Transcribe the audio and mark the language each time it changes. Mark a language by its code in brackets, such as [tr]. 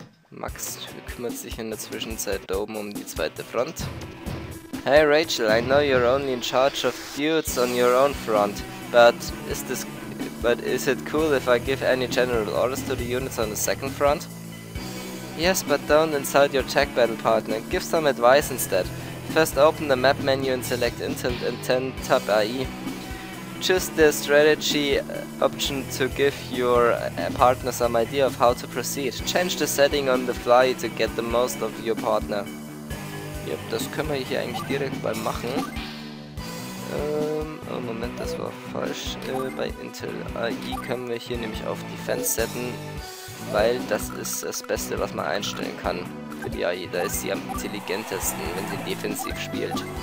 [de] Max kümmert sich in der Zwischenzeit da oben um die zweite Front. [en] Hey Rachel, I know you're only in charge of dudes on your own front, but is it cool if I give any general orders to the units on the second front? Yes, but don't insult your tech battle partner. Give some advice instead. First open the map menu and select Intel and 10 tab AI. Choose the strategy option to give your partner some idea of how to proceed. Change the setting on the fly to get the most of your partner. [de] Yep, das können wir hier eigentlich direkt mal machen. Oh Moment, das war falsch. Bei Intel AI können wir hier nämlich auf Defense setzen, weil das ist das Beste, was man einstellen kann für die AI. Da ist sie am intelligentesten, wenn sie defensiv spielt.